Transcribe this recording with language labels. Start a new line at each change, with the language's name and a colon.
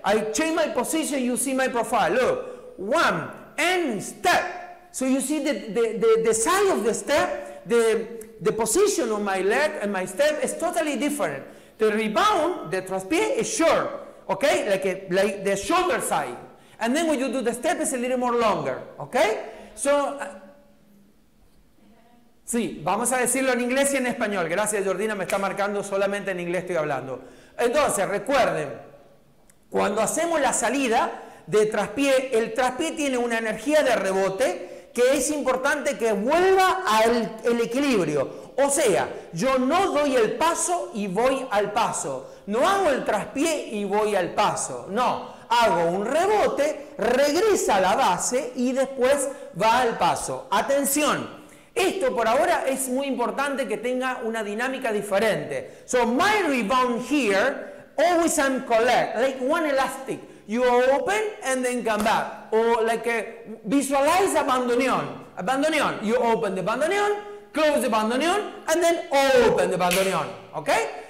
English: I change my position, you see my profile, look. One and step. So you see the size of the step, the position of my leg and my step is totally different. The rebound, the traspié is short, okay? Like the shoulder side. And then when you do the step, it's a little more longer, okay?
Spanish: So, sí, vamos a decirlo en inglés y en español. Gracias, Jordina, me está marcando, solamente en inglés estoy hablando. Entonces, recuerden, cuando hacemos la salida de traspié, el traspié tiene una energía de rebote que es importante que vuelva al el equilibrio. O sea, yo no doy el paso y voy al paso. No hago el traspié y voy al paso. No, hago un rebote, regresa a la base y después va al paso. Atención. Esto por ahora es muy importante que tenga una dinámica diferente.
English: So my rebound here, always I'm collect, like one elastic. You open and then come back. Or like a, visualize a bandoneon. A bandoneon. You open the bandoneon, close the bandoneon, and then open the bandoneon. Okay?